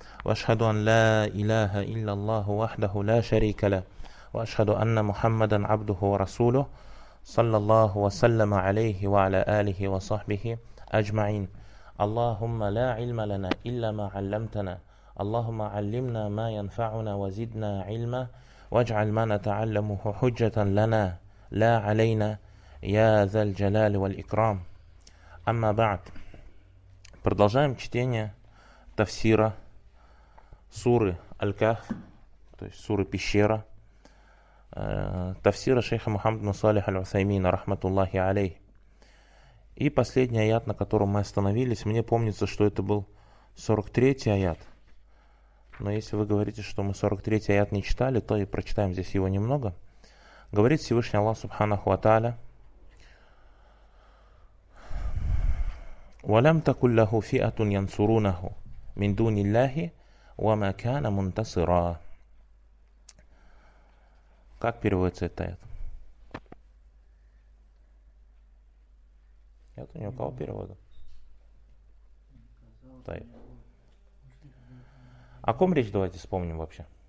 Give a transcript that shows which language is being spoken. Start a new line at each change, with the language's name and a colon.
Arabic: وأشهد أن لا إله إلا الله وحده لا شريك له، وأشهد أن محمدا عبده ورسوله، صلى الله وسلم عليه وعلى آله وصحبه أجمعين. اللهم لا علم لنا إلا ما علمتنا، اللهم علمنا ما ينفعنا وزدنا علما، واجعل ما نتعلمه حجة لنا لا علينا يا ذا الجلال والإكرام. أما بعد،
Russian: продолжаем чтение тафсира суры Аль-Кахф, то есть суры Пещера, тафсира шейха Мухаммада Салиха Аль-Усаймина,
Arabic: рахматуллахи алейх.
Russian: И последний аят, на котором мы остановились, мне помнится, что это был 43-й аят. Но если вы говорите, что мы 43-й аят не читали, то и прочитаем здесь его немного. Говорит Всевышний Аллах Субханаху Ва Тааля:
Arabic: وَلَمْ تَكُنْ لَهُ فِئَةٌ يَنْصُرُونَهُ مِنْ دُونِ اللَّهِ وَمَا كَانَ مُنْتَصِرًا.
Russian: Как переводится этот аят? Нет, у него кого перевода? Таир. О ком речь, давайте вспомним вообще.